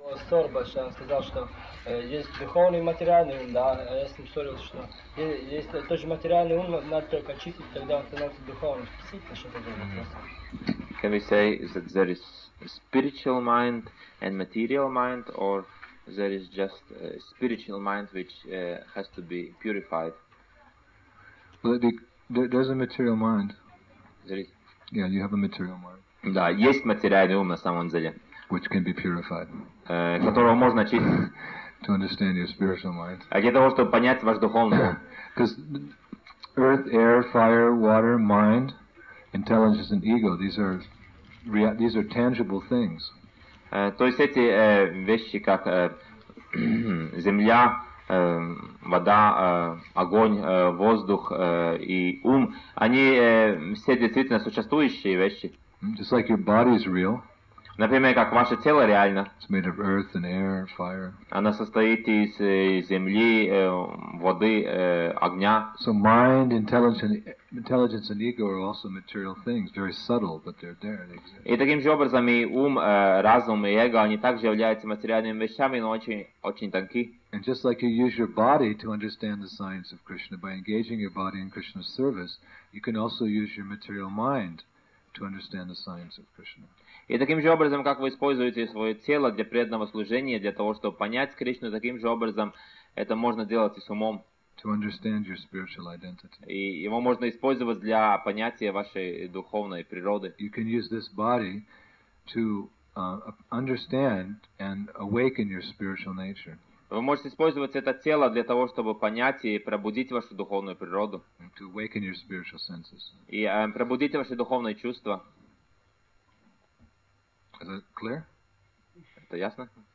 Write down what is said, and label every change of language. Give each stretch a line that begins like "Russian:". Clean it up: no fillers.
Russian: Сорба, что он сказал, что есть духовный и материальный ум, да, я с ним ссорился, что если тот же материальный ум надо только очистить, тогда он становится духовным. Спасибо, что это за вопрос.
English: Can we say that there is spiritual mind and material mind, or there is just a spiritual mind which has to be purified? Well, there's a material mind. There is? Yeah, you have a material mind.
Russian: Да, есть материальный ум на самом деле.
English: Which can be purified.
Russian: Которого можно очистить.
English: To understand your spiritual mind.
Russian: А для того, чтобы понять ваш духовный ум.
English: Because earth, air, fire, water, mind, intelligence and ego, these are tangible things.
Russian: То есть эти вещи, как земля, вода, огонь, воздух и ум, они все действительно существующие вещи.
English: Just like your body is real.
Russian: Например, как ваше тело реально.
English: It's made of earth and air, fire.
Russian: Она состоит из земли, воды, огня.
English: So mind, intelligence and ego are also material things, very subtle, but they're there. They exist.
Russian: И таким же образом и ум, разум и эго, они также являются материальными вещами, но очень, очень тонки.
English: And just like you use your body to understand the science of Krishna by engaging your body in Krishna's service, you can also use your material mind to understand the science of Krishna.
Russian: И таким же образом, как вы используете свое тело для преданного служения, для того, чтобы понять Кришну, таким же образом это можно делать и с умом.
English: To understand your spiritual identity.
Russian: И его можно использовать для понятия вашей духовной природы.
English: You can use this body to understand and awaken your spiritual nature.
Russian: Вы можете использовать это тело для того, чтобы понять и пробудить вашу духовную природу.
English: And to awaken your spiritual senses.
Russian: И пробудить ваши духовные чувства.
English: Is that clear?
Russian: Это ясно?